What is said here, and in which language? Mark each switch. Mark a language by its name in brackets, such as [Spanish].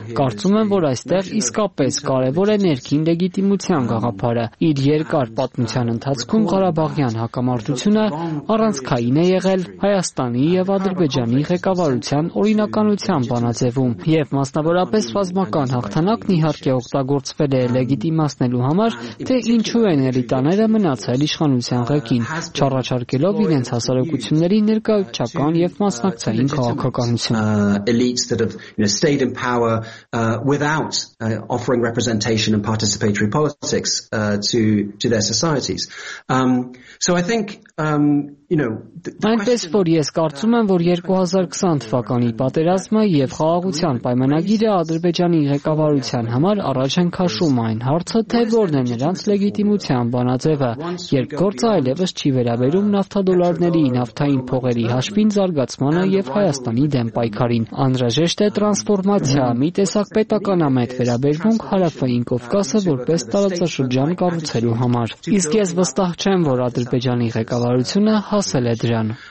[Armenian] Կարծում եմ, որ այստեղ իսկապես կարևոր է ներքին լեգիտիմության գաղափարը։ Իր երկար պատմության ընթացքում Ղարաբաղյան հակամարտությունը առանցքային է եղել Հայաստանի եւ Ադրբեջանի ղեկավարության օրինականության բանաձևում, եւ մասնավորապես ռազմական հաղթանակն իհարկե օգտագործվել է լեգիտիմացնելու համար, թե ինչու են էլիտաները մնացել իշխանության ղեկին, չառաջարկելով իրենց հասարակությունների ներկայացական եւ մասնակցային քաղաքականություն։ [English] Elites that have stayed in power without offering representation and participatory politics to their societies. So I think [Armenian] Այնպես որ ես կարծում եմ, որ 2020 թվականի պատերազմը եւ խաղաղության պայմանագիրը Ադրբեջանի ղեկավարության համար առաջ են քաշում այն հարցը, թե որն է նրանց լեգիտիմության բանաձևը, երբ գործը այլևս չի վերաբերում նավթադոլարների, նավթային փողերի հաշվին զարգացմանը եւ Հայաստանի դեմ պայքարին։ Անհրաժեշտ է տրանսֆորմացիա, մի տեսակ պետականամետ վերաբերմունք հարավային Կովկասը որպես տարածաշրջան կառուցելու համար։ Իսկ ես վստահ չեմ, որ Ադրբեջանի ղեկավարությունը հասել է դրան։